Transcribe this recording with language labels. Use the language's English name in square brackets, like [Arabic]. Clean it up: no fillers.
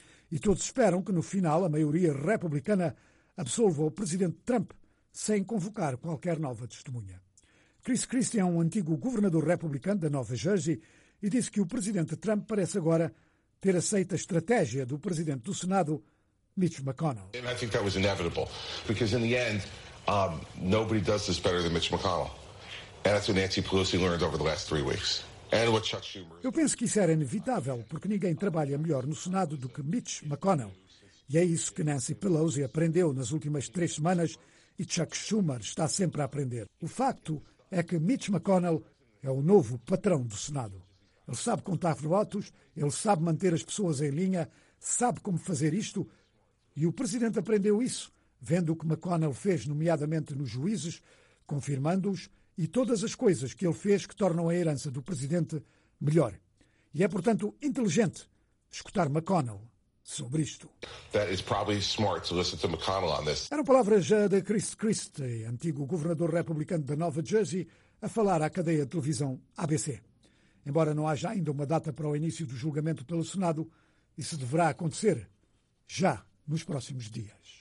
[Portuguese] E todos esperam que, no final, a maioria republicana absolva o presidente Trump sem convocar qualquer nova testemunha. Chris Christie é um antigo governador republicano da Nova Jersey e disse que o presidente Trump parece agora ter aceito a estratégia do presidente do Senado Mitch McConnell. [English] And I think that was inevitable, because in the end, nobody does this better than Mitch McConnell. And that's what Nancy Pelosi learned over the last 3 weeks. And what Chuck Schumer. [Portuguese] Eu penso que isso era inevitável, porque ninguém trabalha melhor no Senado do que Mitch McConnell. E é isso que Nancy Pelosi aprendeu nas últimas 3 semanas e Chuck Schumer está sempre a aprender. O facto é que Mitch McConnell é o novo patrão do Senado. Ele sabe contar votos, ele sabe manter as pessoas em linha, sabe como fazer isto. E o presidente aprendeu isso, vendo o que McConnell fez, nomeadamente nos juízes, confirmando-os, e todas as coisas que ele fez que tornam a herança do presidente melhor. E é, portanto, inteligente escutar McConnell sobre isto. [English] That is probably smart to listen to McConnell on this. [Portuguese] Eram palavras de Chris Christie, antigo governador republicano da Nova Jersey, a falar à cadeia de televisão ABC. Embora não haja ainda uma data para o início do julgamento pelo Senado, isso deverá acontecer já nos próximos dias.